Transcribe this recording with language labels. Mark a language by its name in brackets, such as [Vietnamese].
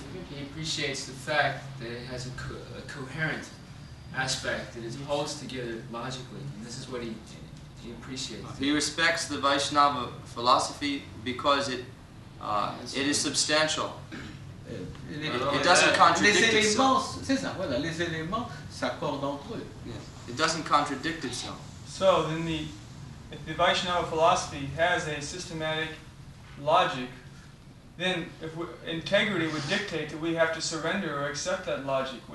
[English] He appreciates the fact that it has a coherent aspect that it holds together logically, and this is what he appreciates. He respects the Vaishnava philosophy because it is substantial. It doesn't contradict itself. [French] Les éléments, c'est ça, voilà, les éléments s'accordent entre eux. [English] Yes. It doesn't contradict itself. So then if the Vaishnava philosophy has a systematic logic, then if integrity would dictate that we have to surrender or accept that logic.